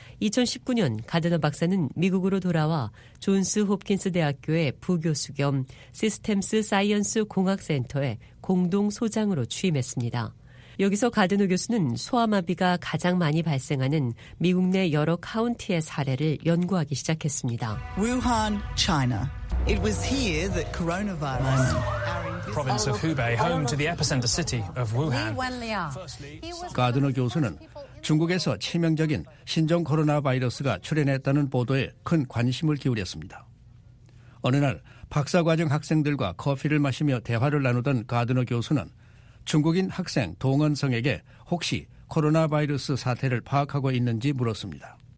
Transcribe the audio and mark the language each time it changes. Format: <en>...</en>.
<ko>2019년 가드너 박사는 미국으로 돌아와 존스 홉킨스 대학교의 부교수 겸 시스템스 사이언스 공학센터의 공동소장으로 취임했습니다. 여기서 가드너 교수는 소아마비가 가장 많이 발생하는 미국 내 여러 카운티의 사례를 연구하기 시작했습니다.</ko> <en>Wuhan, China. It was here that coronavirus... province of Hubei, home to the epicenter city of Wuhan.</en> <ko>가드너 교수는 중국에서 치명적인 신종 코로나 바이러스가 출현했다는 보도에 큰 관심을 기울였습니다. 어느 날 박사과정 학생들과 커피를 마시며 대화를 나누던 가드너 교수는 중국인 학생 동원성에게 혹시 코로나 바이러스 사태를 파악하고 있는지 물었습니다.</ko>